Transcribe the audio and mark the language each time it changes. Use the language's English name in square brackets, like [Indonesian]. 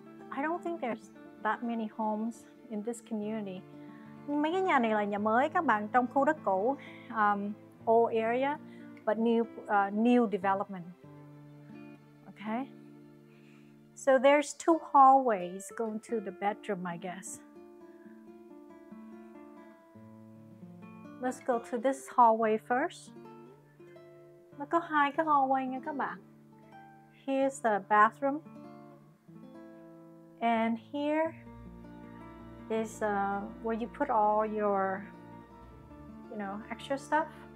[English] I don't think there's that many homes in this community. [Vietnamese] Mấy cái nhà này là nhà mới các bạn, trong khu đất cũ, [English] old area, but new development. Okay. So there's two hallways going to the bedroom, I guess. Let's go to this hallway first. [Vietnamese] Nó có hai cái hallway nha các bạn. [English] Here's the bathroom. And here is where you put all your, you know, extra stuff.